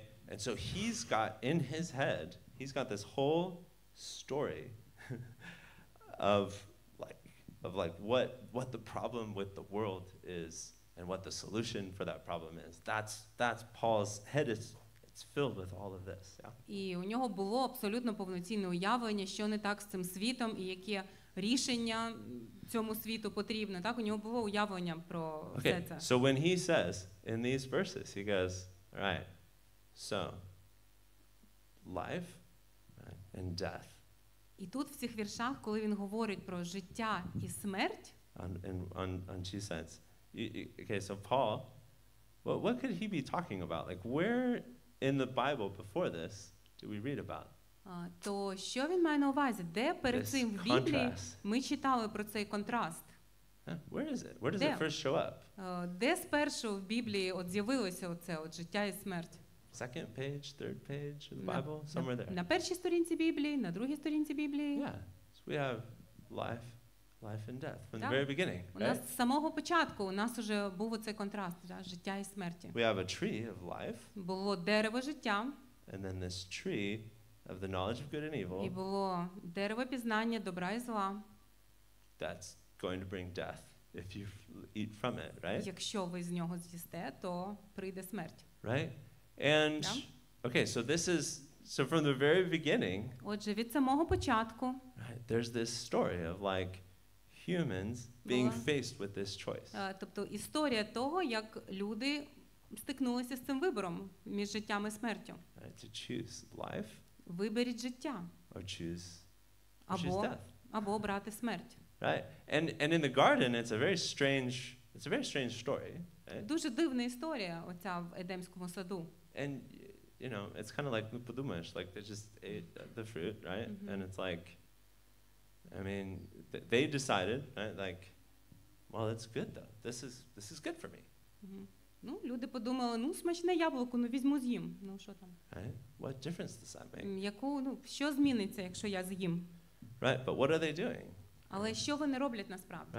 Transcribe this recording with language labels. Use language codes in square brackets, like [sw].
[en] And so he's got in his head, he's got this whole story of what the problem with the world is and what the solution for that problem is. That's Paul's head is, it's filled with all of this. [uk] І у нього було абсолютно повноцінне уявлення, що не так з цим світом і яке рішення цьому світу потрібно. Так, у нього було уявлення про все це. [en] So when he says in these verses, he goes, all right, so life and death. [uk] І тут в цих віршах, коли він говорить про життя і смерть, [en] and she says, okay, so Paul, what could he be talking about? Like, where in the Bible before this do we read about? [uk] То що він має на увазі? Де перед цим в Біблії ми читали про цей контраст? [en] Where is it? Where does it first show up? [uk] Де спершу в Біблії от з'явилося оце от життя і смерть? [en] Second page, third page of the Bible, somewhere there. [uk] На першій сторінці Біблії, на другій сторінці Біблії. [en] Yeah. So we have life and death from the very beginning. [uk] У нас з самого початку у нас уже був оцей контраст, да, життя і смерті. [en] We have a tree of life. [uk] Було дерево життя. [en] And then this tree of the knowledge of good and evil. [uk] І було дерево пізнання добра і зла. [en] That's going to bring death if you eat from it, right? [uk] Якщо ви з нього з'їсте, то прийде смерть. [en] Right? And okay, so this is so from the very beginning. [uk] Отже, від самого початку. [en] Right, there's this story of like humans being faced with this choice. [uk] Тобто історія того, як люди стикнулися з цим вибором між життям і смертю. [en] Right, to choose life. [uk] Виберіть життя. [en] Or choose death. [uk] Або обрати смерть. [en] Right, and in the garden, it's a very strange story. [uk] Дуже дивна історія оця в Едемському саду. [en] And you know, it's kind of like [uk] ну подумаєш, [en] like they just ate the fruit, right? Mm-hmm. And it's like, I mean, they decided, right? Like, well, it's good though. This is good for me. Mm-hmm. [uk] Ну, люди подумали, ну смачне яблуко, ну візьму з'їм. Ну що там? [en] Right? What difference does that make? [uk] Яку, ну, що зміниться, якщо я з'їм? [en] Right, but what are they doing? [uk] Але що вони роблять насправді?